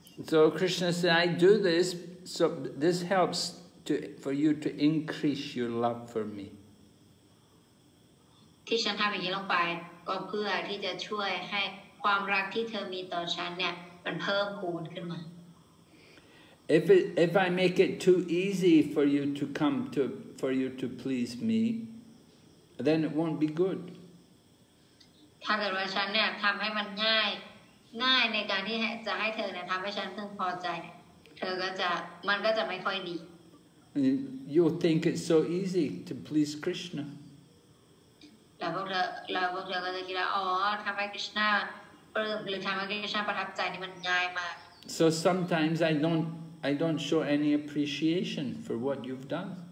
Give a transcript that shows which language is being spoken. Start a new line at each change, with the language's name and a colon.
English: So Krishna said, I do this, so this helps to, for you to increase your love for me.
Thai: ที่ฉันทำอย่างนี้ลงไปก็เพื่อที่จะช่วยให้ความรักที่เธอมีต่อฉันเนี่ยมันเพิ่มพูนขึ้นมา
English: If I make it too easy for you to come to, for you to please me, then it won't be good.
Thai: ถ้าเกิดว่าฉันเนี่ยทำให้มันง่ายในการที่จะให้เธอเนี่ยทำให้ฉันพึงพอใจเธอก็จะไม่ค่อยดี
English: You think it's so easy to please Krishna
Thai: แล้วพวกเธอก็จะคิดว่าอ๋อทำให้ Krishna ปลื้มหรือทำให้ Krishna ประทับใจนี่มันง่ายมาก
English: So sometimes I don't show any appreciation for what you've done